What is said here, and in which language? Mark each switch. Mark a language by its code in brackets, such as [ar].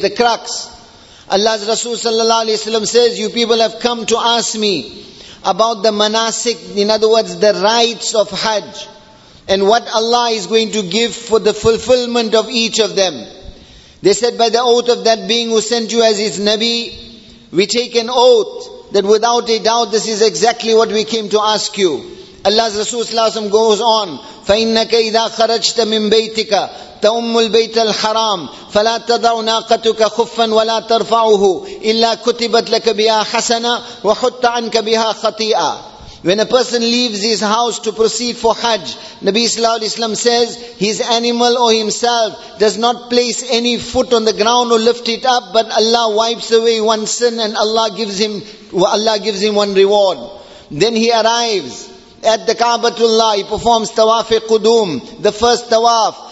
[en] The crux, Allah's Rasul sallallahu alayhi wa sallam says, you people have come to ask me about the manasik, in other words, the rites of Hajj, and what Allah is going to give for the fulfillment of each of them. They said, by the oath of that being who sent you as his Nabi, we take an oath that without a doubt, this is exactly what we came to ask you. Allah's Rasul sallallahu alayhi wa sallam goes on, [ar] فَإِنَّكَ إِذَا خَرَجْتَ مِن بَيْتِكَ تَأُمُّ الْبَيْتَ الْحَرَامِ فَلَا تَضَعُ نَاقَتُكَ خُفًّا وَلَا تَرْفَعُهُ إِلَّا كُتِبَتْ لَكَ بِهَا حَسَنًا وَحُطَّ عَنْكَ بِهَا خَطِيئًا. [en] When a person leaves his house to proceed for Hajj, Nabi sallallahu alayhi wa sallam says, his animal or himself does not place any foot on the ground or lift it up, but Allah wipes away one sin and Allah gives him one reward. Then he arrives at the Ka'batullah, he performs tawaf qudum, the first tawaf.